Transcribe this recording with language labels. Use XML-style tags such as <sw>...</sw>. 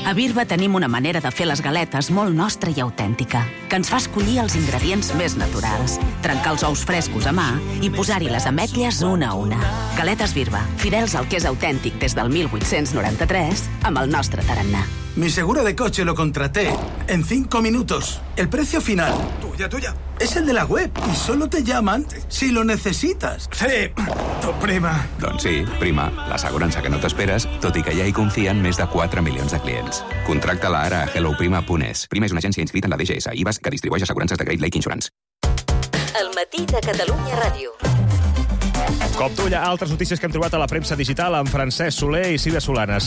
<ca>A Birba tenim una manera de fer les galetes molt nostra i autèntica, que ens fa escollir els ingredients més naturals, trencar els ous frescos a mà i posar-hi les ametlles una a una. Galetes Birba, fidels al que és autèntic des del 1893 amb el nostre tarannà.</ca> <es>Mi seguro de coche lo contraté en 5 minutos. El precio final... Tuya, tuya. Es el de la web y solo te llaman si lo necesitas. Sí, tu prima.</es> <ca>Doncs sí, prima, l'assegurança que no t'esperes, tot i que ja hi confien més de 4 milions de clients. Contracta-la ara a helloprima.es. Prima és una agència inscrita en la DGS, IBAS, que distribueix assegurances de Great Lake Insurance. El matí de Catalunya Ràdio. Com tu, hi ha altres notícies que hem trobat a la premsa digital amb Francesc Soler i Silvia Solanes.</ca>